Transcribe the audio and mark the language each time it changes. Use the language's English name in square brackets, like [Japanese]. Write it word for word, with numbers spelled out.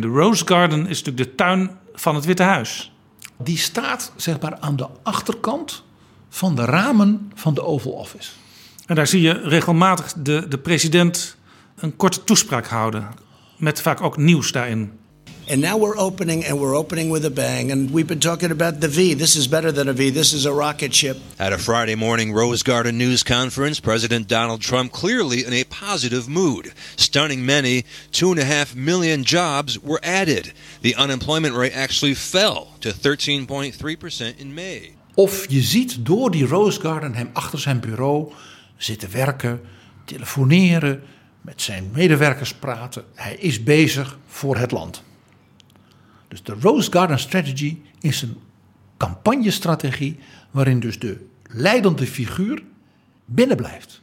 [Dutch] De Rose Garden is natuurlijk de tuin van het Witte Huis. Die staat zeg maar aan de achterkant van de ramen van de Oval Office. En daar zie je regelmatig de, de president een korte toespraak houden. Met vaak ook nieuws daarin. [English] And now we're opening, and we're opening with a bang. And we've been talking about the V. This is better than a V. This is a rocket ship. At a Friday morning Rose Garden news conference, President Donald Trump clearly in a positive mood. Stunning many, two and a half million jobs were added. The unemployment rate actually fell to [Dutch] dertien komma drie procent [English] in May. [Dutch] Of je ziet door die Rose Garden hem achter zijn bureau zitten werken, telefoneren, met zijn medewerkers praten. Hij is bezig voor het land. Dus de Rose Garden Strategy is een campagnestrategie waarin dus de leidende figuur binnen blijft.